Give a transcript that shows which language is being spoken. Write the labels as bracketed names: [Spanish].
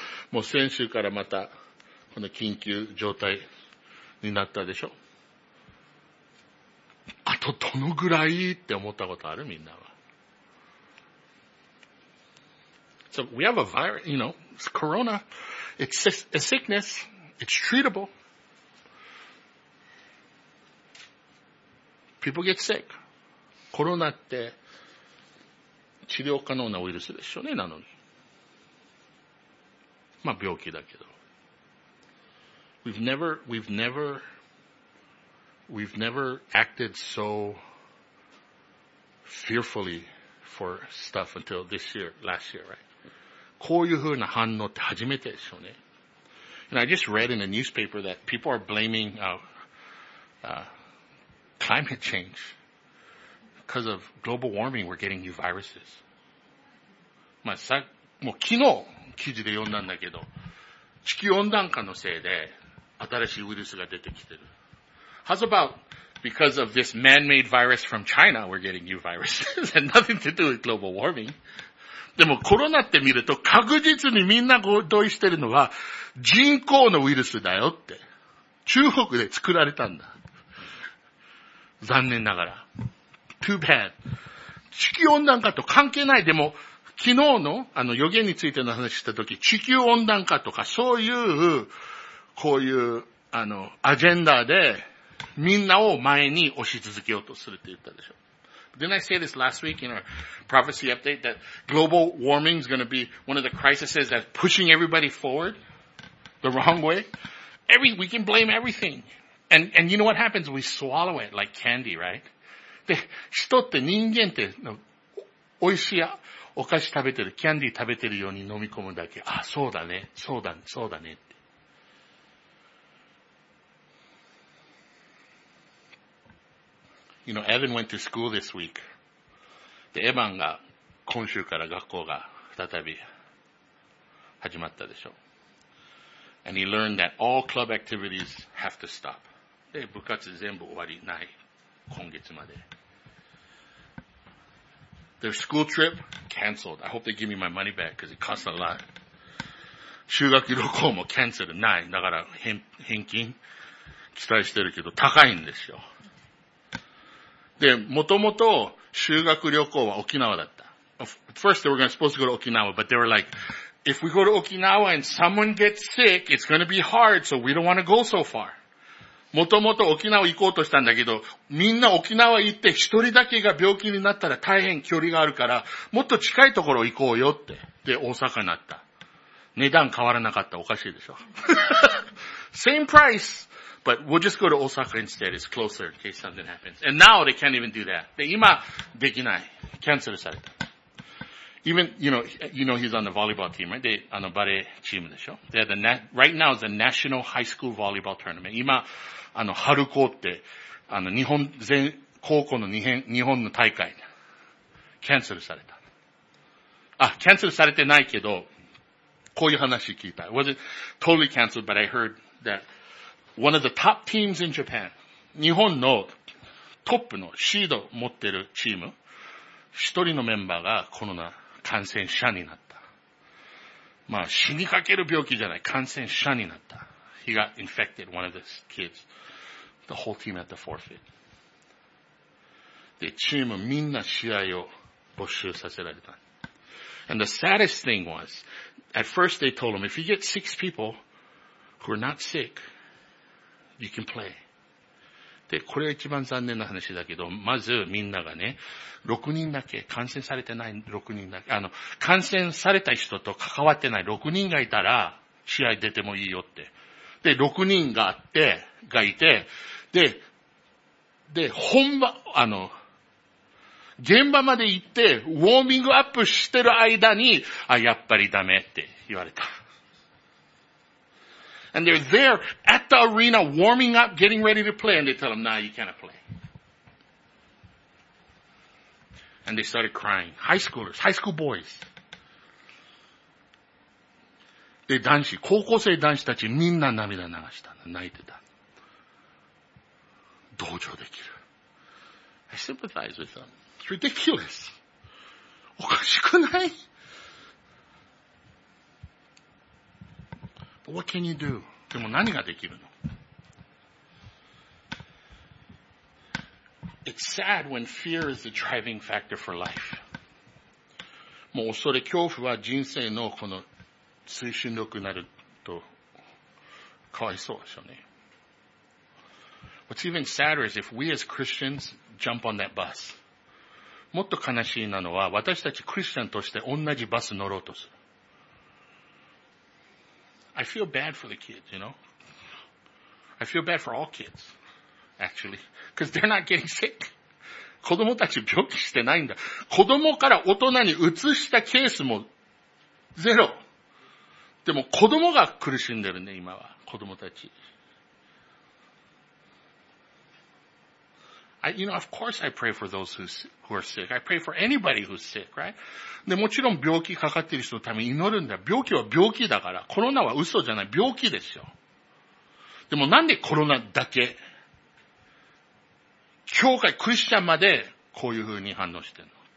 [Japanese] もう先週からまたこの緊急状態になったでしょ。どのぐらいって思ったことあるみんなは。 [English] So we have a virus, you know, it's corona. It's a sickness. It's treatable. People get sick. [Japanese] コロナって治療可能なウイルスでしょうね、なのに。まあ病気だけど。 [English] We've never acted so fearfully for stuff until this year, last year, right? [Japanese] こういうふうな反応って初めてでしょうね。 [English] And I just read in a newspaper that people are blaming, climate change. Because of global warming, we're getting new viruses. [Japanese] まあさ、もう昨日記事で読んだんだけど、地球温暖化のせいで新しいウイルスが出てきてる。 [English] How's about because of this man-made virus from China, we're getting new viruses and nothing to do with global warming. [Japanese] でもコロナって見ると確実にみんな同意してるのは人工のウイルスだよって。中国で作られたんだ。残念ながら。 [English] Too bad. [Japanese] 地球温暖化と関係ない。でも昨日のあの予言についての話したとき、地球温暖化とかそういう、こういうあのアジェンダで、みんなを前に押し続けようとするって言ったでしょ。 [English] Didn't I say this last week in our prophecy update that global warming is going to be one of the crises that's pushing everybody forward the wrong way? We can blame everything. And you know what happens? We swallow it like candy, right? [Japanese] で、人って人間って、美味しいお菓子食べてる、キャンディー食べてるように飲み込むだけ。あ、そうだね。そうだね。そうだね。 [English] You know, Evan went to school this week. [Japanese] で、エヴァンが今週から学校が再び始まったでしょ。 [English] And he learned that all club activities have to stop. [Japanese] で、部活全部終わりない。今月まで。 [English] Their school trip canceled. I hope they give me my money back because it costs a lot. [Japanese] 修学旅行もキャンセルない。だから返金期待してるけど高いんですよ。で、もともと修学旅行は沖縄だった。 [English] First, they were supposed to go to Okinawa, but they were like, if we go to Okinawa and someone gets sick, it's going to be hard, so we don't want to go so far. [Japanese] もともと沖縄行こうとしたんだけど、みんな沖縄行って一人だけが病気になったら大変距離があるから、もっと近いところ行こうよって。で、大阪になった。値段変わらなかった。おかしいでしょ。 [English] Same price! But we'll just go to Osaka instead. It's closer in case something happens. And now they can't even do that. [Japanese] で、今、できない。キャンセルされた。 [English] Even, you know, he's on the volleyball team, right? [Japanese] They, あの、バレーチームでしょ。 [English] They had right now is the National High School Volleyball Tournament. [Japanese] 今、あの、春高って、あの、日本、全、高校の日本の大会。キャンセルされた。あ、キャンセルされてないけど、こういう話聞いた。 [English] It wasn't totally canceled, but I heard that,One of the top teams in Japan. [Japanese] 日本のトップのシード持ってるチーム、一人のメンバーがコロナ感染者になった。まあ死にかける病気じゃない、感染者になった。 [English] He got infected, one of the kids. The whole team had to forfeit. [Japanese] で、チームみんな試合を没収させられた。 [English] And the saddest thing was, at first they told him, if you get six people who are not sick,You can play. [Japanese] で、これは一番残念な話だけど、まずみんながね、6人だけ、感染されてない6人だけ、あの、感染された人と関わってない6人がいたら、試合出てもいいよって。で、6人があって、がいて、で、本場、あの、現場まで行って、ウォーミングアップしてる間に、あ、やっぱりダメって言われた。 [English] And they're there at the arena warming up, getting ready to play, and they tell them, nah, you can't play. And they started crying. High schoolers, high school boys. [Japanese] で、男子、高校生男子たちみんな涙流した、泣いてた。同情できる。 [English] I sympathize with them. It's ridiculous. [Japanese] おかしくない? [English] But what can you do? [Japanese] でも何ができるの? [English] It's sad when fear is the driving factor for life. [Japanese] もう恐れ恐怖は人生のこの推進力になるとかわいそうですよね。 [English] What's even sadder is if we as Christians jump on that bus. [Japanese] もっと悲しいなのは私たちクリスチャンとして同じバス乗ろうとする。 [English] I feel bad for the kids, you know. I feel bad for all kids, actually. Because they're not getting sick. [Japanese] 子供たち病気してないんだ。子供から大人に移したケースもゼロ。でも子供が苦しんでるね、今は。子供たち。 [English] I, you know, of course I pray for those who are sick. I pray for anybody who's sick, right? [Japanese] で、もちろん病気かかってる人のために祈るんだ。病気は病気だから。コロナは嘘じゃない。病気ですよ。でもなんでコロナだけ教会、クリスチャンまでこういう風に反応してるの？